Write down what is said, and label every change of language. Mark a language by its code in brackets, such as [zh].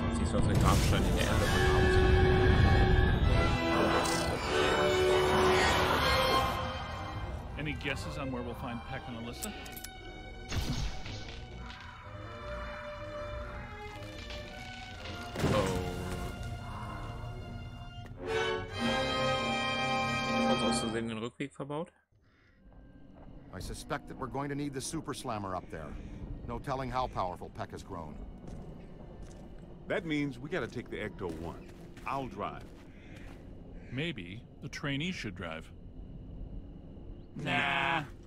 [de] Aus den Grabstein in der Erde bekommt. [en] Any guesses on where we'll find Peck and Alyssa? Oh. [de] Hast du aus Versehen den Rückweg verbaut? [en] I suspect that we're going to need the Super Slammer up there. No telling how powerful Peck has grown. That means we gotta take the Ecto-1. I'll drive. Maybe the trainee should drive. Nah.